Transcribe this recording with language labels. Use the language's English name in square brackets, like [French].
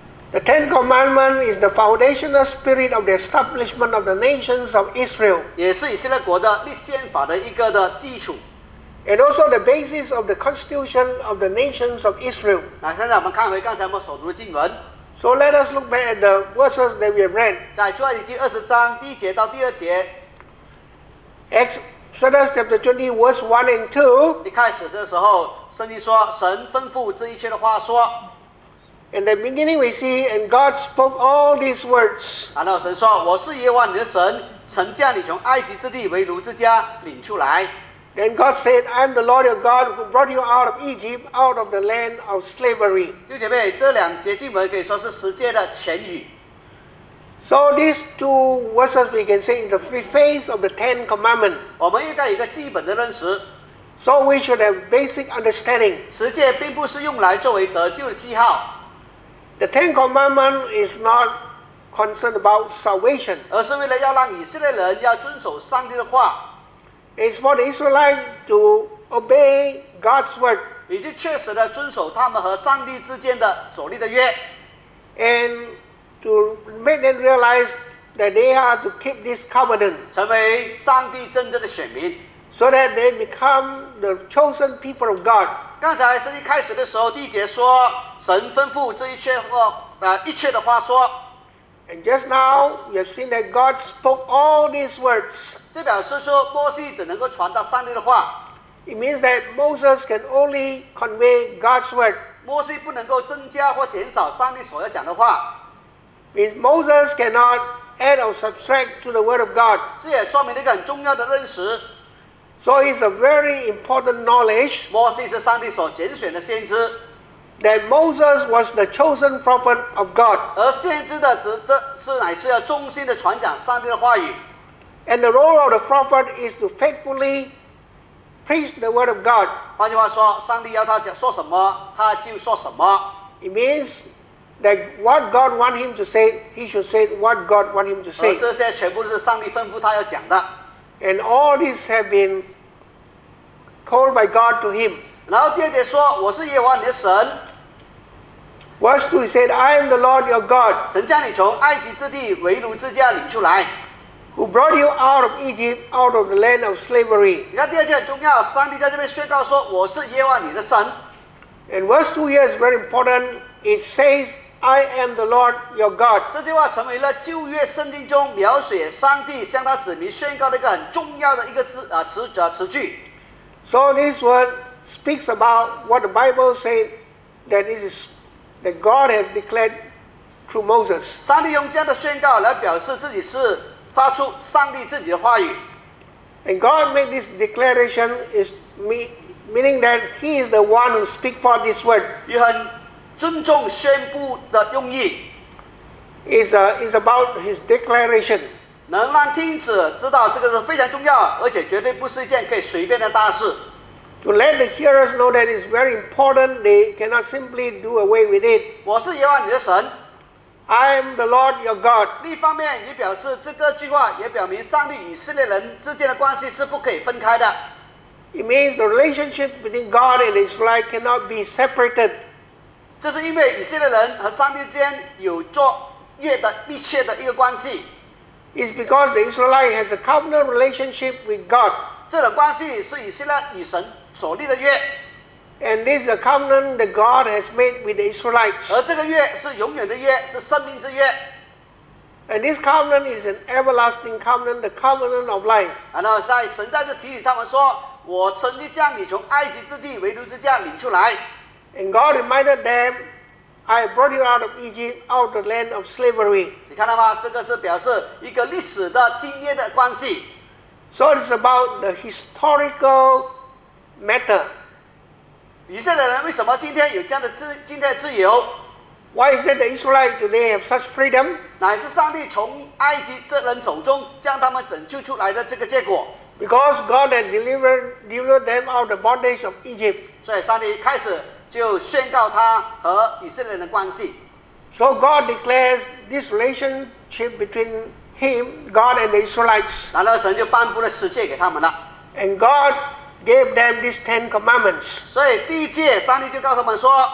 [English] The Ten Commandments is the foundational spirit of the establishment of the nations of Israel. [Chinese] 也是以色列国的立宪法的一个的基础。 [English] And also the basis of the constitution of the nations of Israel. [Chinese] 那现在我们看回刚才我们所读的经文。 [English] So let us look back at the verses that we have read. [Chinese] 在出埃及记二十章第一节到第二节。 [English] Exodus chapter 20, verse 1 and 2. [Chinese] 一开始的时候，圣经说神吩咐这一切的话说。 [English] In the beginning we see, and God spoke all these words. [Chinese] 然后神说，我是耶和华你的神，曾将你从埃及之地为奴之家领出来。 [English] Then God said, I am the Lord your God who brought you out of Egypt, out of the land of slavery. [Chinese] 弟兄们，这两节经文可以说是十诫的前语。 [English] So these two verses we can say is the preface of the Ten Commandments. [Chinese] 我们应该有一个基本的认识。 [English] So we should have basic understanding. [Chinese] 十诫并不是用来作为得救的记号。 [English] The Ten Commandments is not concerned about salvation. [Chinese] 而是为了要让以色列人要遵守上帝的话。 [English] It's for the Israelites to obey God's word. [Chinese] 已经确实的遵守他们和上帝之间的所立的约。 [English] And to make them realize that they are to keep this covenant， [Chinese] 成为上帝真正的选民。 [English] So that they become the chosen people of God。 [Chinese] 刚才是一开始的时候，第一节说神吩咐这一切话，一切的话说。 [English] And just now you've seen that God spoke all these words。 [Chinese] 这表示说摩西只能够传达上帝的话。 [English] It means that Moses can only convey God's word。 [Chinese] 摩西不能够增加或减少上帝所要讲的话。 [English] Means Moses cannot add or subtract to the word of God。 [Chinese] 这也说明了一个很重要的认识。 [English] So it's a very important knowledge。 [Chinese] 摩西是上帝所拣选的先知。 [English] That Moses was the chosen prophet of God。 [Chinese] 而先知的这是乃是要忠心的传讲上帝的话语。 [English] And the role of the prophet is to faithfully preach the word of God。 [Chinese] 换句话说，上帝要他讲说什么，他就说什么。 [English] It means that what God wants him to say, he should say what God wants him to say。 [Chinese] 而这些全部都是上帝吩咐他要讲的。 [English] And all this have been called by God to him。 [Chinese] 然后第二节说，我是耶和华你的神。 [English] Verse 2 said, I am the Lord your God。 [Chinese] 神将你从埃及之地为奴之家领出来。 [English] Who brought you out of Egypt, out of the land of slavery。 [Chinese] 你看第二节很重要，上帝在这边宣告说，我是耶和华你的神。 [English] And verse 2 here is very important. It says, I am the Lord your God。 [Chinese] 这句话成为了旧约圣经中描写上帝向他子民宣告的一个很重要的一个字啊词啊词句。 [English] So this word speaks about what the Bible says that it is that God has declared through Moses。 [Chinese] 上帝用这样的宣告来表示自己是发出上帝自己的话语。 [English] And God made this declaration is meaning that He is the one who speaks for this word。 [Chinese] 有很尊重宣布的用意。 [English] Is about His declaration。 [Chinese] 能让听者知道这个是非常重要，而且绝对不是一件可以随便的大事。 [English] To let the hearers know that it's very important, they cannot simply do away with it。 [Chinese] 我是耶和华你的神。 [English] I am the Lord your God。 [Chinese] 另一方面，也表示这个句话也表明上帝与以色列人之间的关系是不可以分开的。 [English] It means the relationship between God and Israel cannot be separated。 [Chinese] 这是因为以色列人和上帝之间有着越的密切的一个关系。 [English] It's because the Israelite has a covenant relationship with God。 [Chinese] 这种关系是以色列与神所立的约。 [English] And this is a covenant that God has made with the Israelites。 [Chinese] 而这个约是永远的约，是生命之约。 [English] And this covenant is an everlasting covenant, the covenant of life。 [Chinese] 然后在神在这提醒他们说：“我曾经将你从埃及之地为奴之家领出来。” [English] And God reminded them, "I brought you out of Egypt, out of the land of slavery." [Chinese] 你看到吗？这个是表示一个历史的经验的关系。 [English] So it's about the historical matter。 [Chinese] 以色列人为什么今天有这样的今天的自由 [English] ？Why is it the Israelites today have such freedom？ [Chinese] 乃是上帝从埃及这人手中将他们拯救出来的这个结果。 [English] Because God had delivered them out of the bondage of Egypt。 [Chinese] 所以上帝开始就宣告他和以色列人的关系。 [English] So God declares this relationship between Him, God and the Israelites。 [Chinese] 然后神就颁布了十诫给他们了。 [English] And God。 Gave them these ten commandments。 [Chinese] 所以第一诫，上帝就告诉他们说。